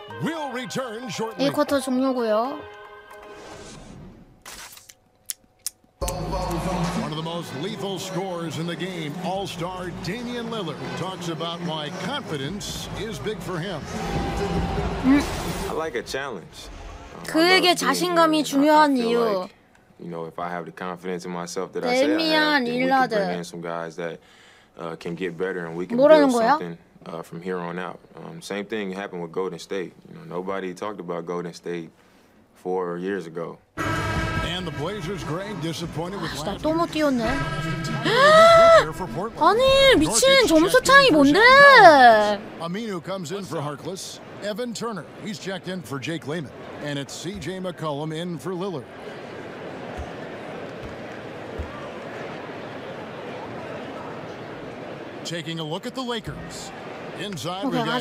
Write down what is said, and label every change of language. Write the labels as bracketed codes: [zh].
[en] We'll return shortly. [ko] 1쿼터 종료고요. [en] One of the most lethal scorers in the game, All-Star Damian Lillard, talks about why confidence is big for him. I like a challenge. [ko] 그에게 자신감이 중요한 이유. [en] You know, if I have the confidence in myself that I say I have, then we can bring in some guys that can get better, and we can build something from here on out. Same thing happened with Golden State. You know, nobody talked about Golden State 4 years ago. And the Blazers, Greg, disappointed with last night. [ko] 아니 미친 점수 차이 뭔데? [en] Aminu comes in for Harkless. Evan Turner, he's checked in for Jake Lehman, and it's C.J. McCollum in for Lillard. Taking a look at the Lakers. Inside, okay, we got